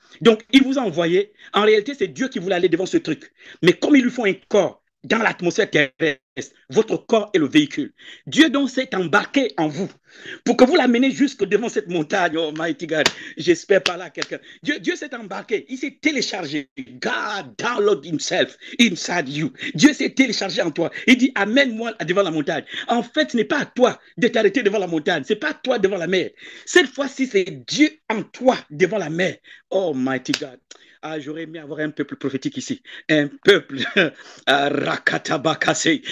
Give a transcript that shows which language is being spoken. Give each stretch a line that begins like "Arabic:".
French: Donc, il vous a envoyé. En réalité, c'est Dieu qui voulait aller devant ce truc. Mais comme ils lui font un corps dans l'atmosphère terrestre, votre corps est le véhicule. Dieu donc s'est embarqué en vous pour que vous l'amenez jusque devant cette montagne.
English: Oh, mighty God,
French: j'espère par là quelqu'un. Dieu s'est embarqué, il s'est téléchargé.
English: God download himself inside you.
French: Dieu s'est téléchargé en toi. Il dit, amène-moi devant la montagne. En fait, ce n'est pas à toi de t'arrêter devant la montagne. Ce n'est pas à toi devant la mer. Cette fois-ci, c'est Dieu en toi devant la mer.
English: Oh, mighty God.
French: Ah, j'aurais aimé avoir un peuple prophétique ici. Un peuple. Rakatabakase.